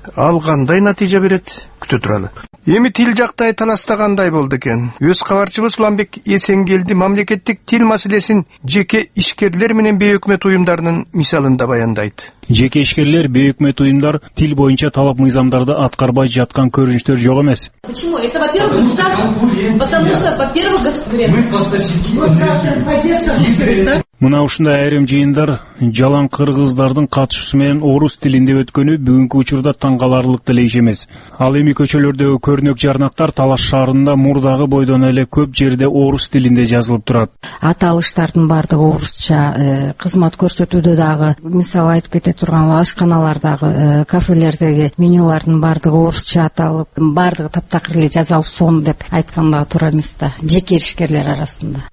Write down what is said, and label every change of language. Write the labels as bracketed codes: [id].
[ky] Ал кандай натыйжа берет күтө туралы. Эми тил жактай таластагандай болду экен. Өз кабарчыбыз Уланбек Эсенгелди мамлекеттик тил маселесин жеке ишкерлер менен бейөкмөт уюмдарынын мисалында баяндайт. Жеке ишкерлер, бейөкмөт уюмдар тил боюнча талап мыйзамдарды аткарбай жаткан көрүнүштөр жок эмес. [ru] Почему? Это, во-первых, государство. Потому что, во-первых, государство. Мы поставщики. [ky] Мына ушундай айрым жыйындар жалаң кыргыздардын катышуусу менен орус тилинде өткөнү бүгүнкү учурда таң каларлык деле иш эмес. Ал эми көчөлөрдөгү көрнөк жарнактар Талаш шаарында мурдагы бойдон эле көп жерде орус тилинде жазылып турат. Аталыштардын баардыгы орусча, кызмат көрсөтүүдө дагы, мисалы айтып кете турган ашканалардагы, кафелердеги менюлардын баардыгы орусча аталып, баардыгы таптакыр эле жазылып сонун деп айткандагы туура эмес да, жеке ишкерлер арасында.